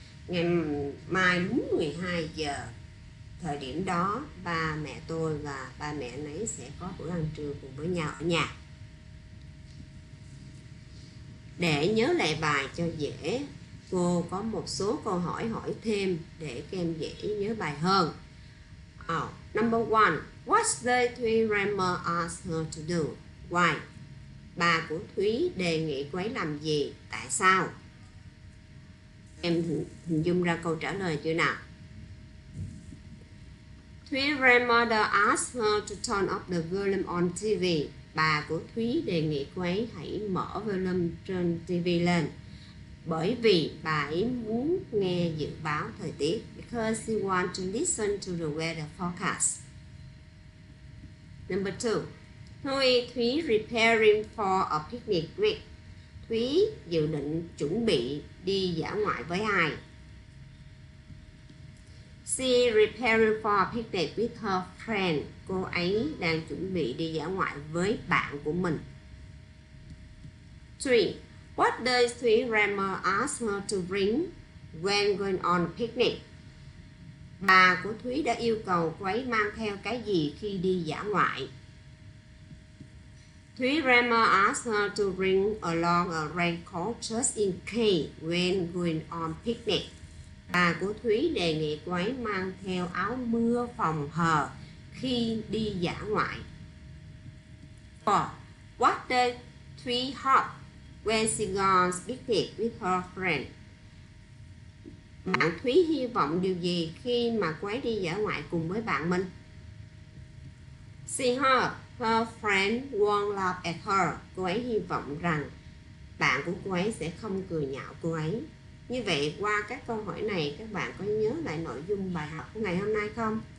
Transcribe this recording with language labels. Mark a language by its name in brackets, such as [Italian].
[Vietnamese] Ngày mai đúng 12 giờ, thời điểm đó, ba mẹ tôi và ba mẹ anh ấy sẽ có bữa ăn trưa cùng với nhau ở nhà. Để nhớ lại bài cho dễ, cô có một số câu hỏi hỏi thêm để các em dễ nhớ bài hơn. [English] Number one, what the Thúy grandma asked her to do? Why? [Vietnamese] Bà của Thúy đề nghị cô ấy làm gì? Tại sao? Em hình dung ra câu trả lời chưa nào? [English] Thúy grandmother asked her to turn off the volume on TV. [Vietnamese] Bà của Thúy đề nghị cô ấy hãy mở volume trên TV lên. Bởi vì bà ấy muốn nghe dự báo thời tiết. [English] Because she wants to listen to the weather forecast. Number 2. Who is Thúy preparing for a picnic with? [Vietnamese] Thúy dự định chuẩn bị đi dã ngoại với ai? [English] She is preparing for a picnic with her friend. [Vietnamese] Cô ấy đang chuẩn bị đi dã ngoại với bạn của mình. [English] 3. What does Thúy grandma ask her to bring when going on a picnic? [Vietnamese] Bà của Thúy đã yêu cầu cô ấy mang theo cái gì khi đi dã ngoại? [English] Thúy grandma asked her to bring along a raincoat just in case when going on picnic. [Vietnamese] Bà của Thúy đề nghị cô ấy mang theo áo mưa phòng hờ khi đi dã ngoại. [English] 4. What does Thúy hope when she goes picnic with her friend? [Vietnamese] Bạn Thúy hy vọng điều gì khi mà cô ấy đi dã ngoại cùng với bạn mình? [English] She hope her friend won't laugh at her. [Vietnamese] Cô ấy hy vọng rằng bạn của cô ấy sẽ không cười nhạo cô ấy. Như vậy, qua các câu hỏi này, các bạn có nhớ lại nội dung bài học của ngày hôm nay không?